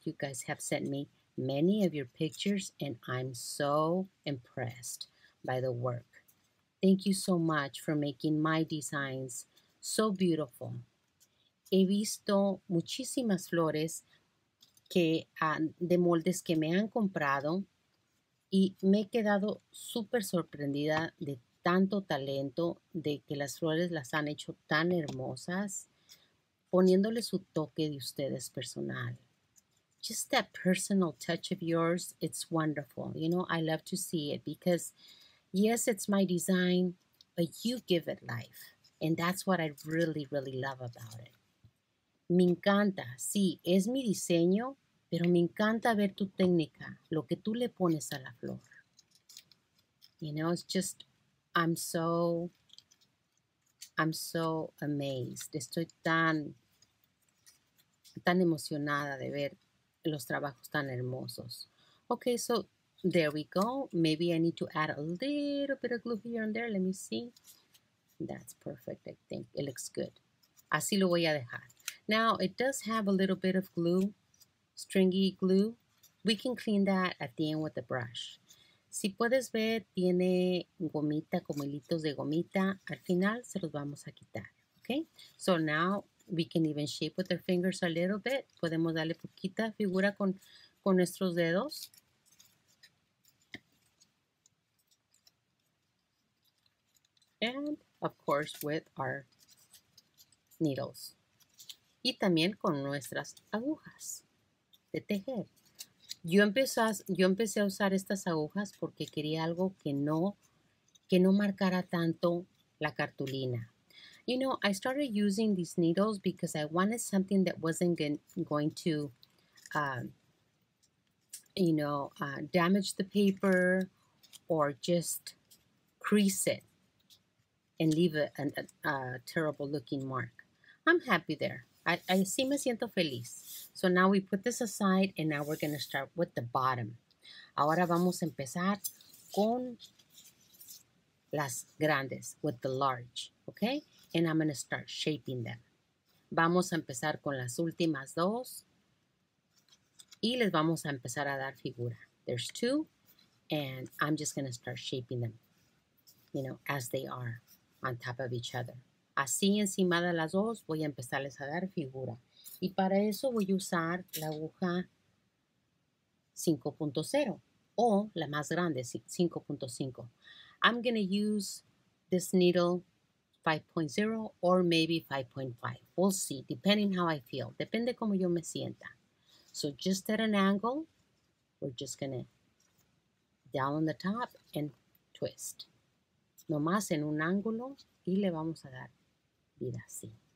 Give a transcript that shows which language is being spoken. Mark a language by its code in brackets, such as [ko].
[en] You guys have sent me many of your pictures, and I'm so impressed by the work. Thank you so much for making my designs so beautiful. [es] He visto muchísimas flores que de moldes que me han comprado. Y me he quedado súper sorprendida de tanto talento, de que las flores las han hecho tan hermosas, poniéndole su toque de ustedes personal. [en] Just that personal touch of yours, it's wonderful. You know, I love to see it because, yes, it's my design, but you give it life. And that's what I really, really love about it. [es] Me encanta. Sí, es mi diseño. Pero me encanta ver tu técnica, lo que tú le pones a la flor. [en] You know, it's just, I'm so amazed. [es] Estoy tan emocionada de ver los trabajos tan hermosos. [en] Okay, so there we go. Maybe I need to add a little bit of glue here and there. Let me see. That's perfect, I think. It looks good. [es] Así lo voy a dejar. [en] Now, it does have a little bit of glue. Stringy glue, we can clean that at the end with a brush. [es] Si puedes ver, tiene gomita, como hilitos de gomita. Al final se los vamos a quitar, okay? [en] So now we can even shape with our fingers a little bit. [es] Podemos darle poquita figura con nuestros dedos. [en] And, of course, with our needles. [es] Y también con nuestras agujas. De tejer. Yo empecé a usar estas agujas porque quería algo que no marcara tanto la cartulina. [en] You know, I started using these needles because I wanted something that wasn't going to, damage the paper or just crease it and leave a terrible looking mark. I'm happy there. [es] I sí me siento feliz. [en] So now we put this aside, and now we're going to start with the bottom. [es] Ahora vamos a empezar con las grandes, [en] with the large, [es] okay? [en] And I'm going to start shaping them. [es] Vamos a empezar con las últimas dos, y les vamos a empezar a dar figura. [en] There's two, and I'm just going to start shaping them, you know, as they are on top of each other. [es] Así encima de las dos voy a empezarles a dar figura. Y para eso voy a usar la aguja 5.0 o la más grande, 5.5. [en] I'm going to use this needle 5.0 or maybe 5.5. We'll see, depending how I feel. [es] Depende como yo me sienta. [en] So just at an angle, we're just gonna down on the top and twist. [es] Nomás en un ángulo y le vamos a dar vida así.